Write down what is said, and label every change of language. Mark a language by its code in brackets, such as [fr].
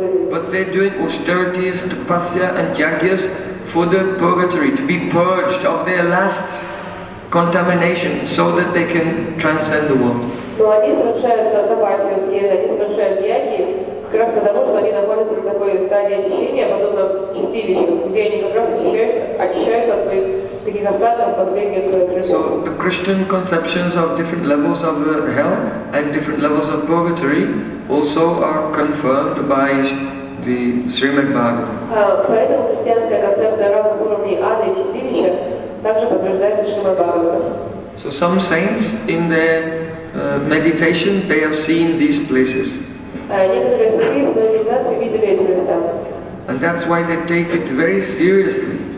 [en] But they're doing austerities, tapasya and yagyas for the purgatory, to be purged of their last contamination so that they can transcend the world. [ru] Но они совершают тапасию, они совершают яги, как раз потому, что они находятся на такой стадии очищения, подобно чистилищу, где они как раз очищаются от своих таких остатков последних грехов. [en] So the Christian conceptions of different levels of hell and different levels of purgatory also are confirmed by the Srimad Bhagavatam. [ru] Поэтому христианская концепция разных уровней ада и чистилища также подтверждается Шримад Бхагаватам. [en] So some saints in their meditation, they have seen these places. And that's why they take it very seriously.